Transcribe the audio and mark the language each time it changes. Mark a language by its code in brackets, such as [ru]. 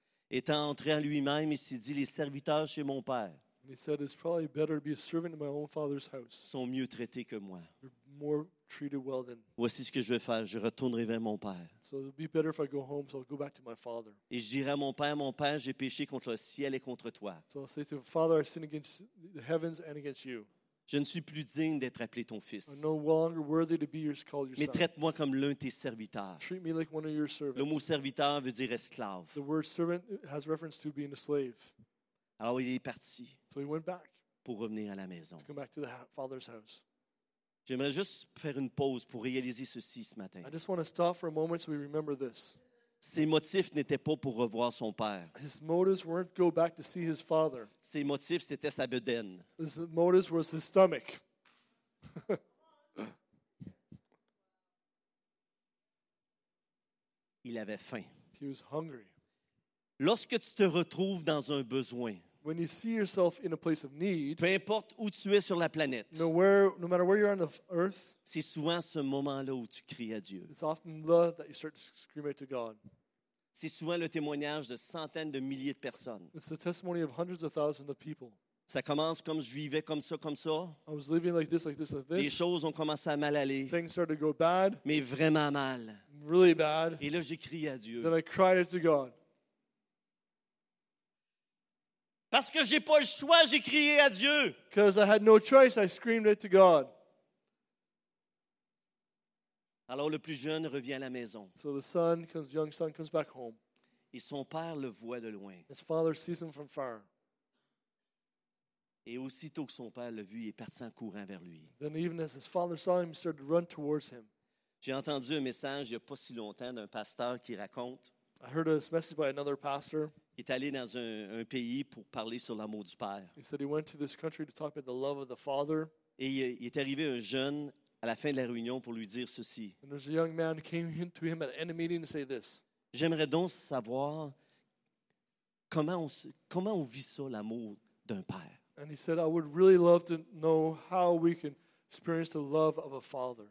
[fr] Étant entré en lui-même, il s'est dit, les serviteurs chez mon père. [en] And he said it's probably better to be a servant in my own father's house. [fr] Sont mieux traités que moi. [en] They're more treated well than. [fr] Voici ce que je vais faire. Je retournerai vers mon père. [en] So it'll be better if I go home. So I'll go back to my father. [fr] Et je dirai à mon père, j'ai péché contre le ciel et contre toi. [en] So I'll say to him, Father, I sinned against the heavens and against you. [fr] Je ne suis plus digne d'être appelé ton fils. [en] I'm no longer worthy to be called your son. [fr] Mais traite-moi comme l'un de tes serviteurs. [en] Treat me like one of your servants. [fr] Le mot serviteur veut dire esclave. [en] The word servant has reference to being a slave. [fr] Alors il est parti [en] so he went back [fr] pour revenir à la maison. [en] To come back to the father's house. [fr] J'aimerais juste faire une pause pour réaliser ceci ce matin. [en] I just want to stop for a moment so we remember this. [fr] Ses motifs n'étaient pas pour revoir son père. [en] His motives weren't go back to see his father. [fr] Ses motifs c'était sa bedaine. [en] His motives was his stomach. [fr] Il avait faim. [en] He was hungry. [fr] Lorsque tu te retrouves dans un besoin, [en] when you see yourself in a place of need, [fr] peu importe où tu es sur la planète, [en] no matter where you're on the earth, [fr] c'est souvent ce moment-là où tu cries à Dieu. [en] It's often the that you start to scream out to God. [fr] C'est souvent le témoignage de centaines de milliers de personnes. [en] It's the testimony of hundreds of thousands of people. [fr] Ça commence comme je vivais comme ça, comme ça. [en] I was living like this, like this, like this. [fr] Les choses ont commencé à mal aller. [en] Things started to go bad. [fr] Mais vraiment mal. [en] Really bad. [fr] Et là, j'ai crié à Dieu. [en] Then I cried out to God. [fr] Parce que j'ai pas le choix, j'ai crié à Dieu. [en] Because I had no choice, I screamed out to God. [fr] Alors le plus jeune revient à la maison. [en] So the son comes, young son comes back home. [fr] Et son père le voit de loin. [en] His father sees him from far. [fr] Et aussitôt que son père l'a vu, il est parti en courant vers lui. [en] Then even as his father saw him, he started to run towards him. [fr] J'ai entendu un message il y a pas si longtemps d'un pasteur qui raconte. [en] I heard a message by another pastor. [fr] Il est allé dans un pays pour parler sur l'amour du Père. [en] He said he went to this country to talk about the love of the Father. [fr] Et il est arrivé un jeune à la fin de la réunion pour lui dire ceci. [en] And there's a young man who came to him at the end of the meeting to say this. [fr] J'aimerais donc savoir comment on vit ça, l'amour d'un père. [en] And he said, I would really love to know how we can experience the love of a father.